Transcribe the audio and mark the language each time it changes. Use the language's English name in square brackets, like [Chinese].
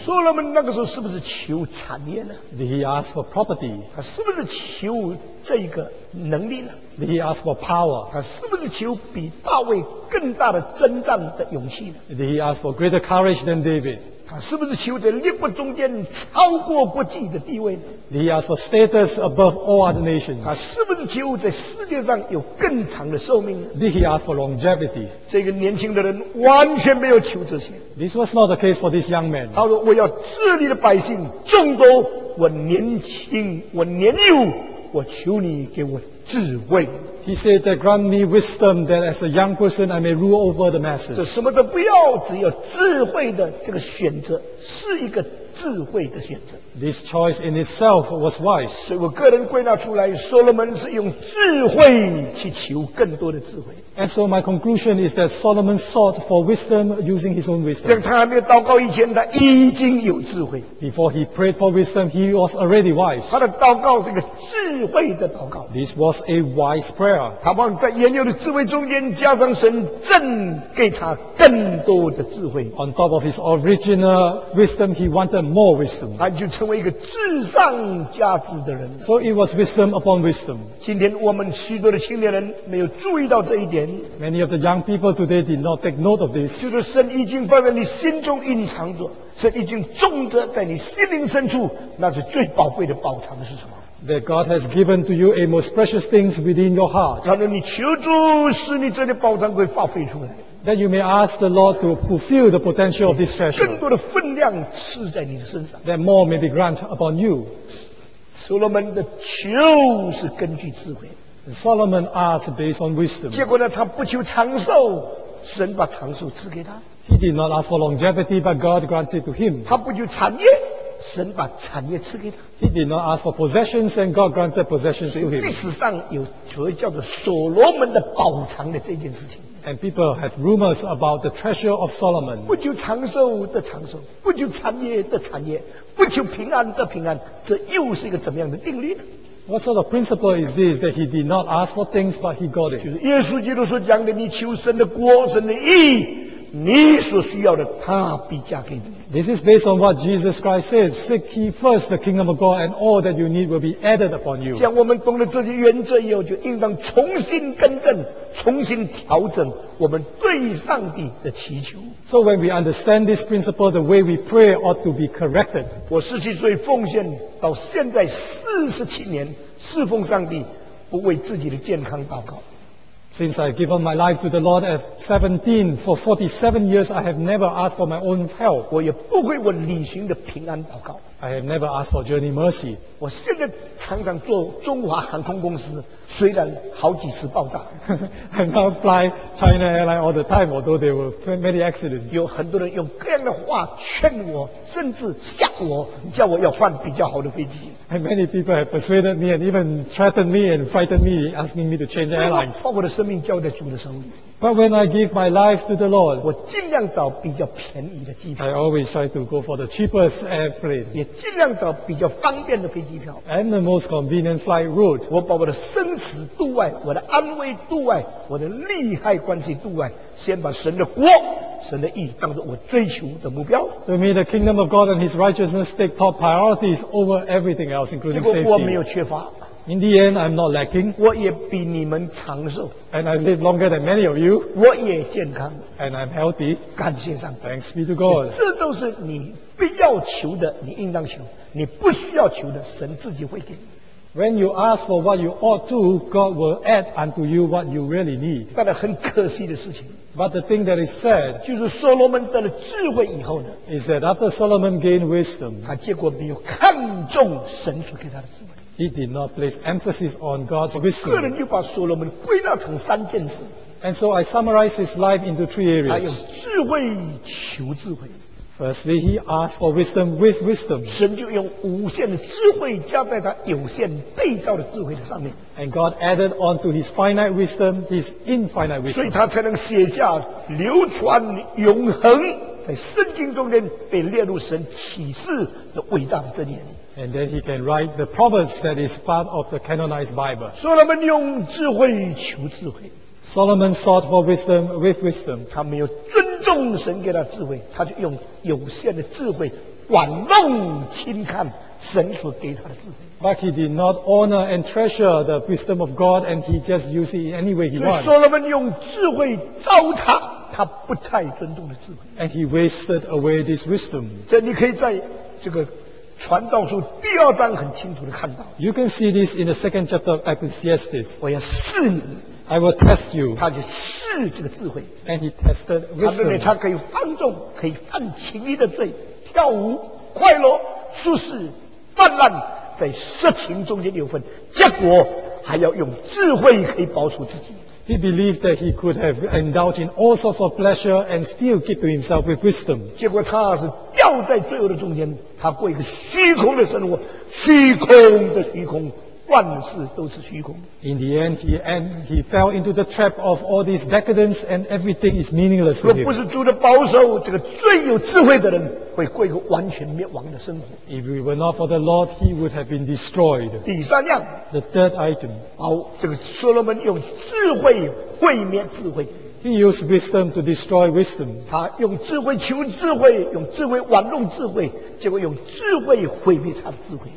[Chinese] Solomon 那个时候是不是求产业呢 [English] ？Did he ask for property? [Chinese] 他是不是求这个能力呢 [English] ？Did he ask for power? [Chinese] 他是不是求比大卫更大的征战的勇气呢 [English] ？Did he ask for greater courage than David? [Chinese] 他是不是求在列国中间超过国际的地位呢 [English] ？Did he ask for status above all other nations? [Chinese] 他是不是求在世界上有更长的寿命呢 [English] ？Did he ask for longevity? [Chinese] 这个年轻的人完全没有求这些。 [English] This was not the case for this young man. [Chinese] 他说：“我要治理的百姓众多，我年轻，我年幼。” 我求你给我智慧。 [English] He said that grant me wisdom that as a young person I may rule over the masses. [Chinese] 这什么都不要，只有智慧的这个选择是一个智慧的选择。 [English] This choice in itself was wise. [Chinese] 所以我个人归纳出来，所罗门是用智慧去求更多的智慧。 [English] And so my conclusion is that Solomon sought for wisdom using his own wisdom. [Chinese] 像他还没有祷告以前，他已经有智慧。 [English] Before he prayed for wisdom, he was already wise. [Chinese] 他的祷告是个智慧的祷告。 [English] This was a wise prayer. [Chinese] 他望在原有的智慧中间加上神赠给他更多的智慧。 [English] On top of his original wisdom, he wanted more wisdom. [Chinese] 他就成为一个智上加智的人。 [English] So it was wisdom upon wisdom. [Chinese] 今天我们许多的青年人没有注意到这一点。 [English] Many of the young people today did not take note of this. [Chinese] 就是神已经放在你心中隐藏着，神已经种着在你心灵深处，那是最宝贵的宝藏的是什么？ [English] That God has given to you a most precious things within your heart. [Chinese] 然后你求主使你这些宝藏可以发挥出来。 [English] That you may ask the Lord to fulfill the potential of this treasure. [Chinese] 更多的分量赐在你的身上。 [English] That more may be granted upon you. [Chinese] 所罗门的求是根据智慧。 [English] Solomon asked based on wisdom. [Chinese] 结果呢，他不求长寿，神把长寿赐给他。 [English] He did not ask for longevity, but God granted to him. [Chinese] 他不求产业，神把产业赐给他。 [English] He did not ask for possessions, and God granted possessions to him. [Chinese] 历史上有所谓叫做所罗门的宝藏的这件事情。 [English] And people had rumors about the treasure of Solomon. [Chinese] 不求长寿的长寿，不求产业的产业，不求平安的平安，这又是一个怎么样的定律呢？ [English] What sort of principle is this that he did not ask for things but he got it? [Chinese] 就是耶稣基督所讲的，你求神的国、神的义，你所需要的，他必加给你。 [English] This is based on what Jesus Christ says: Seek ye first the kingdom of God, and all that you need will be added upon you. [Chinese] 像我们懂了这些原则以后，就应当重新更正、重新调整我们对上帝的祈求。 [English] So when we understand this principle, the way we pray ought to be corrected. [Chinese] 我17岁奉献到现在47年侍奉上帝，不为自己的健康祷告。 [English] Since I've given my life to the Lord at 17, for 47 years, I have never asked for my own health. [Chinese] 我也不会为旅行的平安祷告。 [English] I have never asked for journey mercy. [Chinese] 我现在常常坐中华航空公司，虽然好几次爆炸。 [English] I now fly China Airlines all the time, although there were many accidents. [Chinese] 有很多人用各样的话劝我，甚至吓我，叫我要换比较好的飞机。 [English] And many people have persuaded me and even threatened me and frightened me, asking me to change airlines. [Chinese] 把我的生命交在主的手里。 [English] But when I give my life to the Lord, [Chinese] 我尽量找比较便宜的机票。 [English] I always try to go for the cheapest airplane. [Chinese] 也尽量找比较方便的飞机票。 [English] And the most convenient flight route. [Chinese] 我把我的生死度外，我的安危度外，我的利害关系度外，先把神的国、神的义当作我追求的目标。 [English] To me, the kingdom of God and His righteousness take top priorities over everything else, including safety. [Chinese] 结果我没有缺乏。 [English] In the end, I'm not lacking. [Chinese] 我也比你们长寿。 [English] And I live longer than many of you. [Chinese] 我也健康。 [English] And I'm healthy. [Chinese] 感谢上帝。 [English] Thanks be to God. [Chinese] 这都是你必要求的，你应当求。你不需要求的，神自己会给你。 [English] When you ask for what you ought to, God will add unto you what you really need. [Chinese] 但是很可惜的事情。 [English] But the thing that is sad, [Chinese] 就是所罗门得了智慧以后呢， [English] is that after Solomon gained wisdom, [Chinese] 他结果没有看重神所给他的智慧。 [English] He did not place emphasis on God's wisdom. [Chinese] 个人就把所罗门归纳成三件事。 [English] And so I summarize his life into three areas. [Chinese] 他用智慧求智慧。 [English] Firstly, he asked for wisdom with wisdom. [Chinese] 神就用无限的智慧加在他有限被造的智慧的上面。 [English] And God added onto his finite wisdom his infinite wisdom. [Chinese] 所以他才能写下流传永恒，在圣经中间被列入神启示的伟大的箴言。 [English] And then he can write the proverbs that is part of the canonized Bible. [Chinese] 所以他们用智慧求智慧。 [English] Solomon sought for wisdom with wisdom. [Chinese] 他没有尊重神给他智慧，他就用有限的智慧玩弄轻看神所给他的智慧。 [English] But he did not honor and treasure the wisdom of God, and he just used it in any way he wanted. [Chinese] Solomon 用智慧糟蹋他不太尊重的智慧。 [English] And he wasted away this wisdom. [Chinese] 这你可以在这个传道书第二章很清楚地看到。 [English] You can see this in the second chapter of Ecclesiastes. [Chinese] 我要试你。 [English] I will test you. [Chinese] 他就试这个智慧。 [English] And he tested wisdom. [Chinese] 他认为他可以放纵，可以犯情欲的罪，跳舞、快乐、舒适、泛滥，在色情中间流分，结果还要用智慧可以保守自己。 [English] He believed that he could have indulged in all sorts of pleasure and still keep to himself with wisdom. [Chinese] 结果他是掉在罪恶的中间，他过一个虚空的生活，虚空的虚空。万事都是虚空。 [English] In the end, he fell into the trap of all these decadence, and everything is meaningless. [Chinese] 若不是主的保守，这个最有智慧的人会过一个完全灭亡的生活。 [English] If it were not for the Lord, he would have been destroyed. [Chinese] 第三样 [English] ，the third item. [Chinese] 好，这个所罗门用智慧毁灭智慧。 [English] He used wisdom to destroy wisdom. [Chinese] 他用智慧求智慧，用智慧玩弄智慧，结果用智慧毁灭他的智慧。